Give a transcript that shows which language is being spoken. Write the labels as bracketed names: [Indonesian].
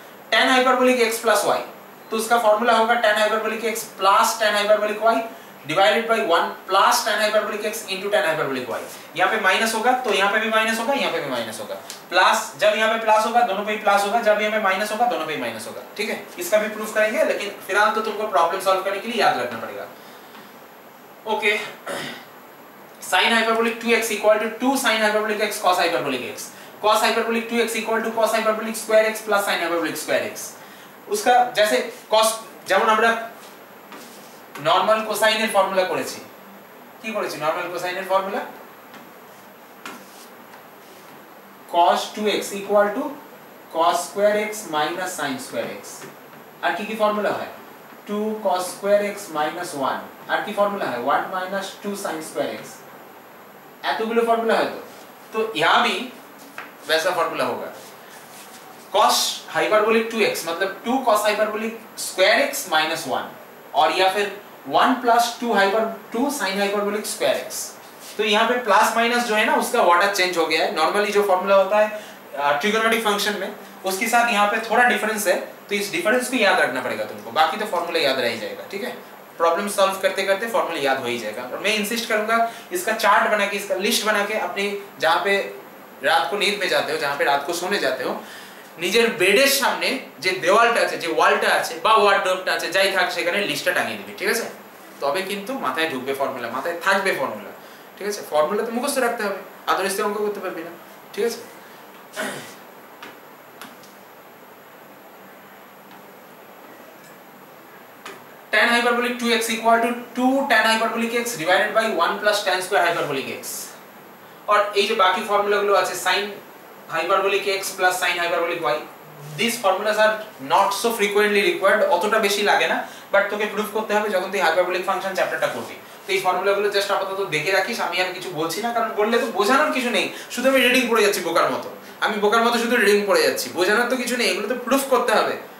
[English] tan hyperbolic x plus y, तो उसका formula होगा tan hyperbolic x plus tan hyperbolic y [Hindi] divided by 1 plus tan hyperbolic x into tan hyperbolic y, यहां पे minus होगा तो यहां पे भी माइनस होगा, यहां पे भी माइनस होगा, प्लस जब यहां पे प्लस होगा दोनों पे ही प्लस होगा, जब यहां पे माइनस होगा दोनों पे ही माइनस होगा, ठीक है। इसका भी प्रूफ करेंगे, लेकिन फिलहाल तो तुमको प्रॉब्लम सॉल्व करने के लिए याद रखना पड़ेगा। [English] okay, sin hyperbolic 2x equal to 2 sin hyperbolic x cos hyperbolic x, cos hyperbolic 2x equal to cos hyperbolic square x plus sin hyperbolic square x, [Hindi] उसका जैसे cos जब हमरा [Bangla] নরমাল কোসাইনের ফর্মুলা করেছি, কি করেছি normal কোসাইনের formula, [English] cos 2x equal to cos square x minus sin square x, [Bangla] আর কি কি formula হয়, [English] 2 cos square x minus 1, [Bangla] আর কি ফর্মুলা হয়, [English] 1 minus 2 sin square x, [Bangla] এতগুলো ফর্মুলা হয়, তো ইয়া ভি বেসা ফর্মুলা হবে, [Hindi] cos hyperbolic 2x মানে 2 cos hyperbolic square x minus 1, আর ইয়া ফির 1 plus 2 hyper 2 sin hyperbolic square x, तो यहाँ पे plus minus जो है ना उसका order change हो गया है, normally जो formula होता है trigonometric function में उसके साथ यहाँ पे थोड़ा difference है, तो इस difference को याद रखना पड़ेगा तुमको, बाकी तो formula याद रह ही जाएगा, ठीक है। problem solve करते करते formula याद हो ही जाएगा, और मैं insist करूँगा इसका chart बना के, इसका list बना के, अपने जहाँ पे रात को नींद में जाते हो, जहाँ पे रात को सोने जाते हो, [Bangla] নিজের বেডের সামনে যে দেওয়ালটা আছে, যে ওয়ালটা আছে বা ওয়ারড্রোবটা আছে, যাই থাক সেখানে লিস্টটা টাঙিয়ে দিবি, ঠিক আছে। তবে কিন্তু মাথায় ঢুকবে ফর্মুলা, মাথায় থাকবে ফর্মুলা, ঠিক আছে। ফর্মুলা তো মুখস্থ রাখতে হবে, আদরিস্তে অঙ্ক করতে পারবি না, ঠিক আছে। tan hyperbolic 2x equal to 2 tan hyperbolic x divided by 1 plus tan square hyperbolic x, আর এই যে বাকি ফর্মুলাগুলো আছে sin hyperbolic x plus sin hyperbolic y, [English] these formulas are not so frequently required, [Bangla] অতটা বেশি লাগে না, but তোকে প্রুফ করতে হবে যখন তুই hyperbolic function চ্যাপ্টারটা করবি, তো এই ফর্মুলাগুলো জাস্ট আপাতত দেখে রাখিস, আমি আর কিছু বলছি না, কারণ বললে তো বোঝানোর কিছু নেই, শুধু আমি রিডিং পড়ে যাচ্ছি বোকার মতো, আমি বোকার মতো শুধু রিডিং পড়ে যাচ্ছি, বোঝানোর তো কিছু নেই, এগুলো তো প্রুফ করতে হবে,